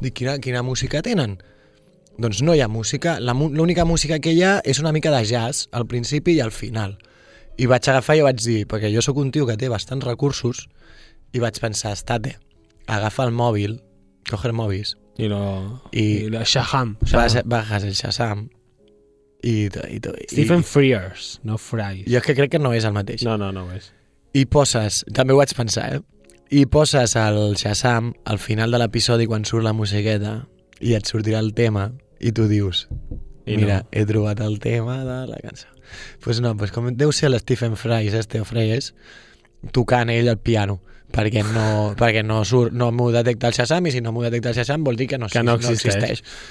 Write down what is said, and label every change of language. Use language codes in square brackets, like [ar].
[ca] Dic, quina música tenen? Doncs no hi ha música. L'única música que hi ha és una mica de jazz al principi i al final. I vaig agafar i vaig dir, perquè jo sóc un tio que té bastants recursos, i vaig pensar, estate, agafa el mòbil, [es] coger mòbils. [ca] I Shazam. [es] Bajas el Shazam. [ca] Stephen Frears, no Fries. Jo que crec que no és el mateix. No ho és. I poses, també ho vaig pensar, eh? I poses el Shazam al final de l'episodi quan surt la musiqueta i et sortirà el tema i tu dius, mira, no. He trobat el tema de la cançó. [es] Pues no, pues [ca] com deu ser l'Stephen Fries, Esteo Fries, tocant ell el piano, perquè no surt, no m'ho detecta el Shazam, i si no m'ho detecta el Shazam vol dir que no existeix.